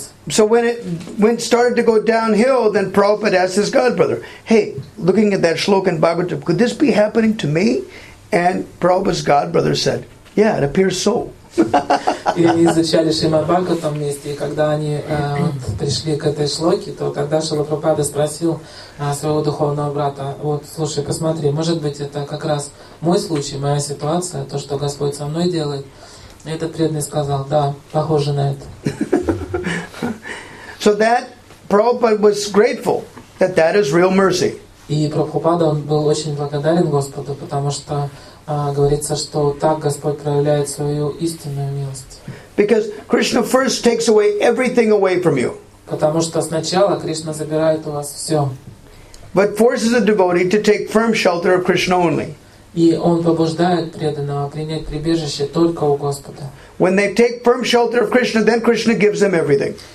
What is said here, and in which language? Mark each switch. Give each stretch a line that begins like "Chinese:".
English: So when it started to go downhill, then Prabhupada asked his godbrother, "Hey, looking at that shloka in Bhagavatam, could this be happening to me?" And Prabhupada's godbrother said, "Yeah, it appears so."
Russian: И они изучали Шримад Бхагаватам вместе, и когда они пришли к этой шлоке, то тогда Шрила Прабхупада спросил своего духовного брата, вот, слушай, посмотри, может быть, это как раз мой случай, моя ситуация, то, что Господь со мной делает. И этот преданный сказал, да, похоже на это.
English: So that Prabhupada was grateful that that is real mercy.
Russian: И Прабхупада был очень благодарен Господу, потому что говорится, что так Господь проявляет свою истинную милость.
English: Because Krishna first takes away everything away from you.
Russian: Потому что сначала Кришна забирает у вас все.
English: But forces a devotee to take firm shelter of Krishna only.
Russian: И он побуждает преданного принять прибежище только у Господа.
English: When they take firm shelter of Krishna, then Krishna gives them everything.